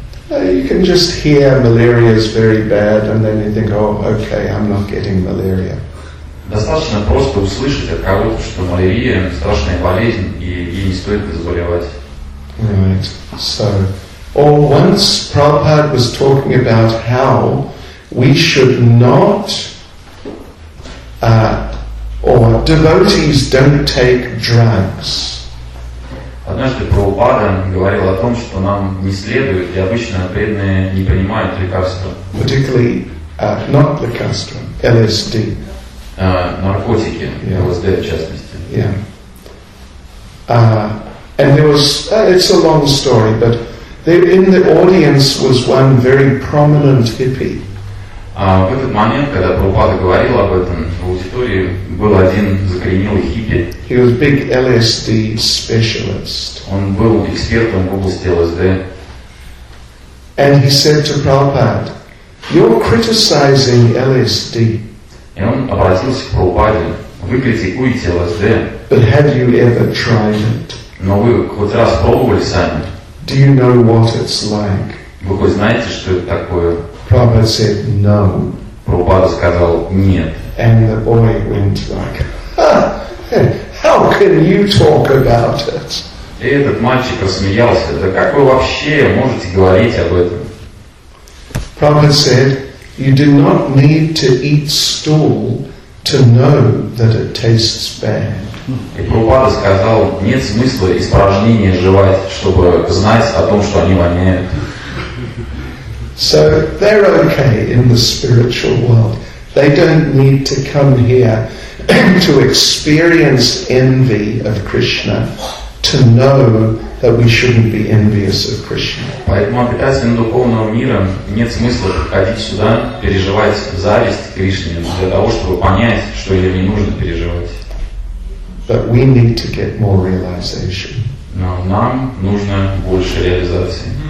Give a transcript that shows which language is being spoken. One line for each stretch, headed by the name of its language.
English: You can just hear malaria is very bad, and then you think, oh, okay, I'm not getting malaria.
Russian: Достаточно просто услышать от кого-то, что малярия – страшная болезнь, и ей не стоит заболевать.
English: Right. So, or once Prabhupada was talking about how we should not, or devotees don't take drugs.
Russian: Однажды Прабхупада говорил о том, что нам не следует, и обычно преданные не принимают лекарства.
English: Particularly, not lekarstva, LSD.
Russian: Наркотики, yeah. ЛСД в частности.
English: Yeah. And there was, it's a long story, but there in the audience was one very prominent hippie.
Russian: В этот момент, когда Прабхупада говорил об этом, в аудитории был один закоренелый хиппи.
English: He was a big LSD specialist.
Russian: Он был экспертом в области ЛСД.
English: And he said to Prabhupada, you're criticizing LSD.
Russian: И он обратился к Прабхупаде. Вы критикуете ЛСД.
English: But have you ever tried it?
Russian: Но вы хоть раз пробовали сами?
English: Do you know what it's like?
Russian: Вы хоть знаете, что это такое?
English: Prabhupada said no.
Russian: Прабхупада сказал нет.
English: And the boy went like, how can you talk about it?
Russian: И этот мальчик рассмеялся. Да как вы вообще можете говорить об этом?
English: Prabhupada said, you do not need to eat stool to know that it tastes bad.
Russian: И Прабхупада сказал, нет смысла испражнения жевать, чтобы знать о том, что они воняют.
English: So they're okay in the spiritual world. They don't need to come here to experience envy of Krishna, to know that we shouldn't be envious of Krishna.
Russian: Поэтому обитателям духовного мира нет смысла приходить сюда, переживать зависть к Кришне, для того, чтобы понять, что ее не нужно переживать.
English: But we need to get more realization.
Russian: Но нам нужно больше реализации.